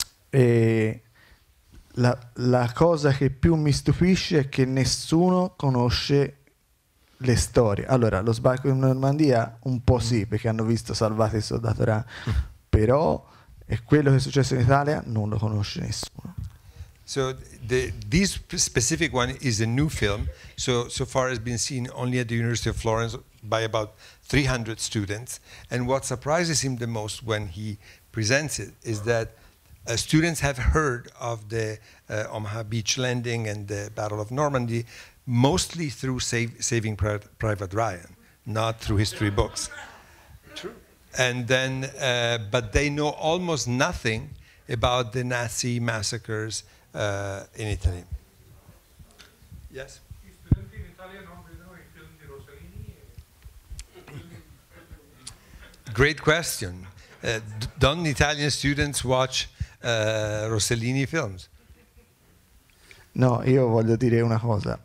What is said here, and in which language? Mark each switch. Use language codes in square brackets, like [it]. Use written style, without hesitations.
[it] E la cosa che più mi stupisce è che nessuno conosce le storie. Allora, lo sbarco in Normandia un po' sì, perché hanno visto Salvate il soldato Ran, però è quello che è successo in Italia non lo conosce nessuno. [en] So this specific one is a new film. So far has been seen only at the University of Florence by about 300 students. And what surprises him the most when he presents it is that students have heard of the Omaha Beach landing and the Battle of Normandy, mostly through Saving Private Ryan, not through history books. True. And then, but they know almost nothing about the Nazi massacres in Italy. Yes? [it] Gli studenti in Italia non vedono i film di Rossellini? [en] Great question. Don't Italian students watch Rossellini films? [it] No, io voglio dire una cosa.